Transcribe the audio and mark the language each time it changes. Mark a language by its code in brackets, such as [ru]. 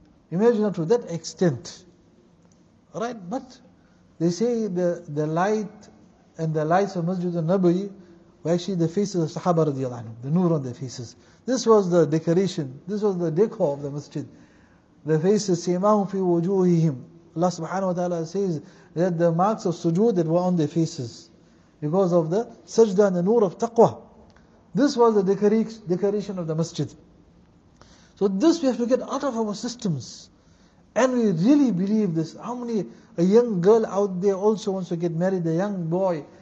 [en] Imagine to that extent. Right? But they say the light and the lights of Masjid al-Nabawi were actually the faces of Sahaba radiallahu anhu, the nur on their faces. This was the decoration, this was the decor of the masjid. the faces, [ar] سِيمَاهُمْ فِي وُجُوهِهِمْ. [en] Allah subhanahu wa ta'ala says that the marks of sujood that were on their faces because of the sajda and the nur of taqwa. This was the decoration of the masjid. So this we have to get out of our systems. And we really believe this. How many, a young girl out there also wants to get married, a young boy.